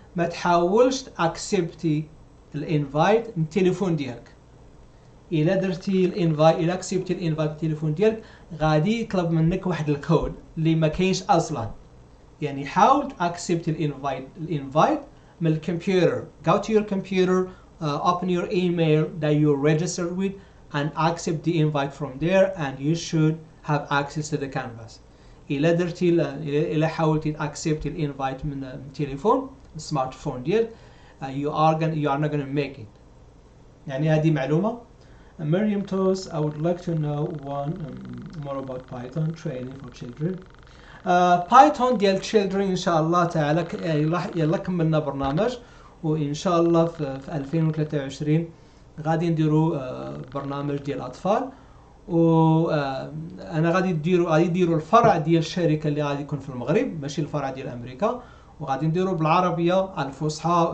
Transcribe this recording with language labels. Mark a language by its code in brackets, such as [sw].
[ar] ما تحاولش تاكسبتي الانفايت من التليفون ديالك. إلا درتي الانفايت, إلا اكسبتي الانفايت من التليفون ديالك, غادي يطلب منك واحد الكود اللي ما كاينش أصلا. يعني حاول تاكسبت الانفايت من الكمبيوتر. [en] Go to your computer, open your email that you registered with and accept the invite from there and you should have access to the canvas. [ar] إلا درتي إلا حاولتي تاكسبت الانفايت من التليفون السمارتفون ديالك, [en] you are not going to make it. [ar] يعني هذه معلومة. [en] Miriam Toast, I would like to know one more about Python training for children. [ar] بايثون ديال تشيلدرن ان شاء الله تعالى, يلا كملنا برنامج وان شاء الله في 2023 غادي نديرو برنامج ديال الاطفال. و انا غادي نديرو الفرع ديال الشركه اللي غادي يكون في المغرب ماشي الفرع ديال امريكا, وغادي نديرو بالعربيه الفصحى.